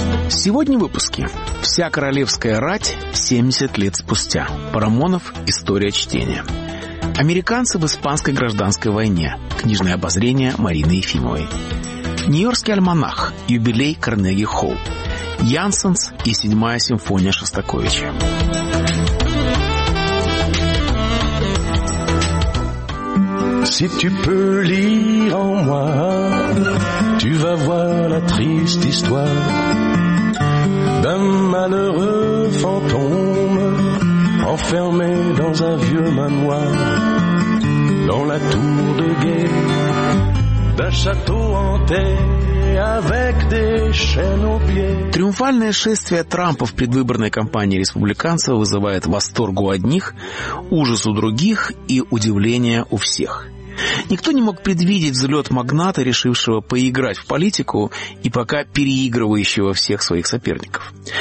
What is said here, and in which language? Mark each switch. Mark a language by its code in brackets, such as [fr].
[ru] Сегодня в выпуске «Вся королевская рать 70 лет спустя». Парамонов. История чтения. Американцы в испанской гражданской войне. Книжное обозрение Марины Ефимовой. Нью-Йоркский альманах. Юбилей Карнеги Холл. Янсенс и седьмая симфония Шостаковича. [fr] Si tu peux lire en moi, tu vas voir la triste histoire d'un malheureux fantôme enfermé dans un vieux manoir dans la tour de guet d'un château hanté. [ru] Триумфальное шествие Трампа в предвыборной кампании республиканцев вызывает восторг у одних, ужас у других и удивление у всех. Никто не мог предвидеть взлет магната, решившего поиграть в политику и пока переигрывающего всех своих соперников.